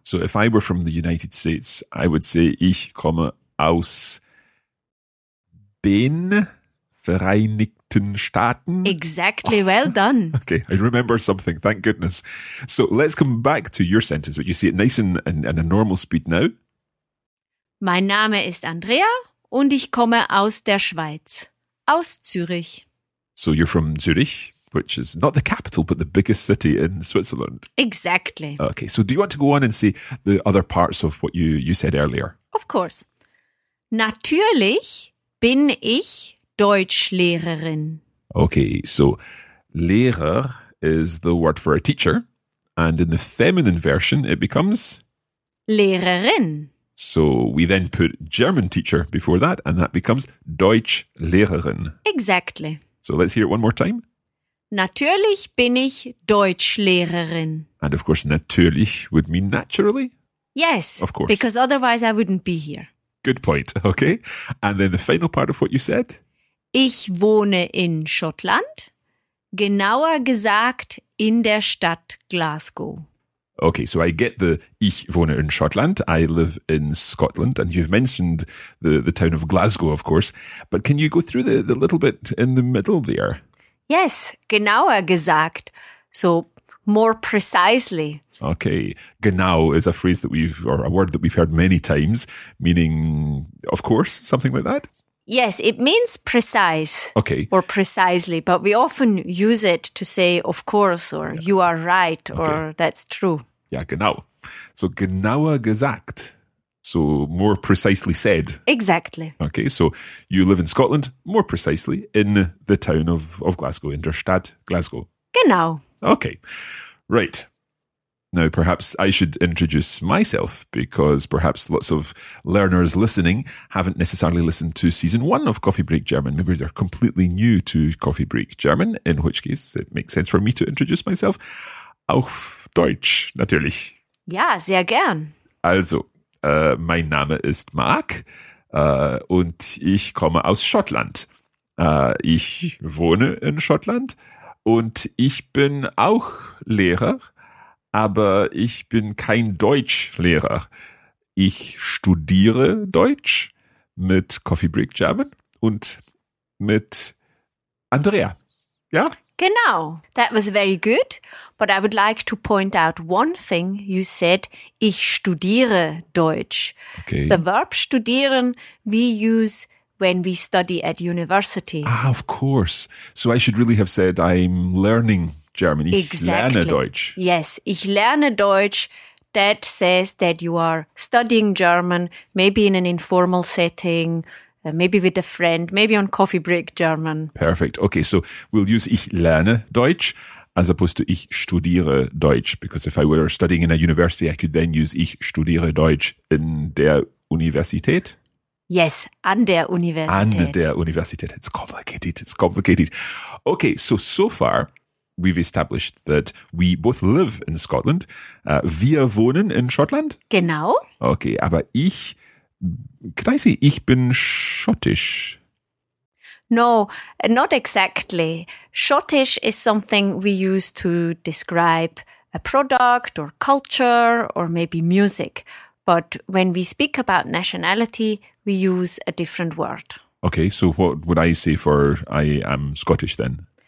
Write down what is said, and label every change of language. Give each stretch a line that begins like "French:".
English: So if I were from the United States, I would say
German: ich komme aus den Vereinigten Staaten.
English: Exactly. Oh. Well done. Okay. I remember something. Thank goodness. So let's come back to your sentence, but you say it nice and in a normal speed now.
German: Mein Name ist Andrea und ich komme aus der Schweiz, aus Zürich.
English: So you're from Zürich, which is not the capital, but the biggest city in Switzerland. Exactly. Okay, so do you want to go on and see the other parts of what you said earlier? Of course.
German: Natürlich bin ich Deutschlehrerin.
English: Okay, so Lehrer is the word for a teacher, and in the feminine version it becomes
German: Lehrerin.
English: So we then put German teacher before that, and that becomes Deutschlehrerin. Exactly. So let's hear it one more time.
German: Natürlich bin ich Deutschlehrerin.
English: And of course, natürlich would mean naturally. Yes. Of course. Because otherwise I wouldn't be here. Good point. Okay. And then the final part of what you said.
German: Ich wohne in Schottland. Genauer gesagt, in der Stadt Glasgow.
English: Okay, so I get the
German: ich wohne in Schottland.
English: I live in Scotland. And you've mentioned the town of Glasgow, of course. But can you go through the little bit in the middle there? Yes,
German: genauer gesagt.
English: So more precisely. Okay, genau is a phrase that we've, or a word that we've heard many times, meaning, of course, something like that. Yes, it means precise. Okay. Or precisely, but we often use it to say, of course, or yeah, you are right, okay, or that's true. Yeah, genau. So
German: genauer gesagt.
English: So more precisely said. Exactly. Okay, so you live in Scotland, more precisely, in the town of Glasgow,
German: in der Stadt Glasgow. Genau.
English: Okay, right. Now, perhaps I should introduce myself, because perhaps lots of learners listening haven't necessarily listened to season one of Coffee Break German. Maybe they're completely new to Coffee Break German, in which case it makes sense for me to introduce myself.
German: Auf Deutsch, natürlich. Ja, sehr gern. Also, mein Name ist Marc und ich komme aus Schottland. Ich wohne in Schottland und ich bin auch Lehrer, aber ich bin kein Deutschlehrer. Ich studiere Deutsch mit Coffee Break German und mit Andrea. Ja?
English: Genau. That was very good. But I would like to point out one thing. You said,
German: ich studiere Deutsch.
English: Okay. The verb studieren we use when we study at university. Ah, of course. So I should really have said, I'm learning German.
German: Ich
English: exactly.
German: lerne Deutsch. Yes, ich lerne Deutsch.
English: That says that you are studying German, maybe in an informal setting, maybe with a friend, maybe on coffee break German. Perfect. Okay, so we'll use
German: ich lerne Deutsch
English: as opposed to
German: ich studiere Deutsch,
English: because if I were studying in a university, I could then use
German: ich studiere Deutsch in der Universität. Yes, an der Universität. An der Universität.
English: It's complicated. It's complicated. Okay, so far we've established that we both live in Scotland.
German: Wir wohnen in Schottland. Genau. Okay, aber ich,
English: could I say,
German: ich bin schottisch?
English: No, not exactly. Schottisch is something we use to describe a product or culture or maybe music. But when we speak about nationality, we use a different word. Okay, so what would I say for I am Scottish then?